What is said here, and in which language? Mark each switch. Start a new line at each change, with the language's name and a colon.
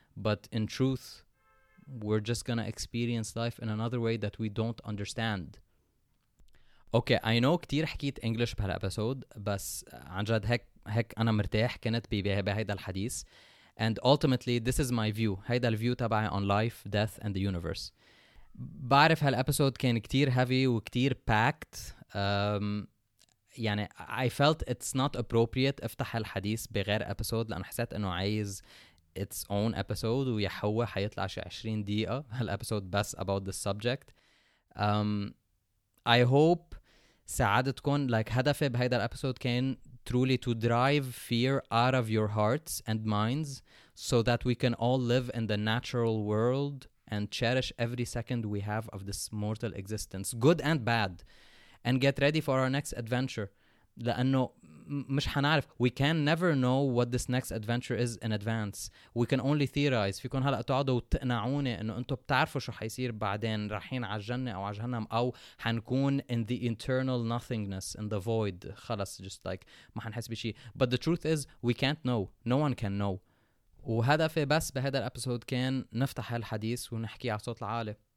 English: But in truth, we're just gonna experience life in another way that we don't understand. Okay, I know
Arabic: كتير حكيت English بهالأبسود, بس عن جد هيك أنا مرتاح كنت بهيدا الحديث.
English: And ultimately, this is my view.
Arabic: هيدا الفيو تبعي
English: on life, death, and the universe.
Arabic: بعرف هالأبسود كان كتير heavy وكتير packed. يعني
English: I felt it's not appropriate
Arabic: افتح هالحديث بغير أبسود, لأن حسيت أنه عايز its own episode ويحوى حيطلع شي 20 دقيقة هالأبسود بس
English: about the subject. I hope ساعدتكم. Like
Arabic: هدفي بهيدا الأبسود كان
English: truly to drive fear out of your hearts and minds so that we can all live in the natural world and cherish every second we have of this mortal existence, good and bad, and get ready for our next adventure.
Arabic: لأنه مش حنعرف,
English: we can never know what this next adventure is in advance. We can only theorize.
Arabic: فيكن هلأ تقعدوا وتقنعوني أنه أنتوا بتعرفوا شو حيصير بعدين, رايحين على الجنة أو على جهنم, أو حنكون
English: in the internal nothingness, in the void,
Arabic: خلص,
English: just like
Arabic: ما حنحس بشي.
English: But the truth is, we can't know. No one can know.
Arabic: وهدفي بس بهذا الأبسود كان نفتح هالحديث ونحكي على صوت العالي.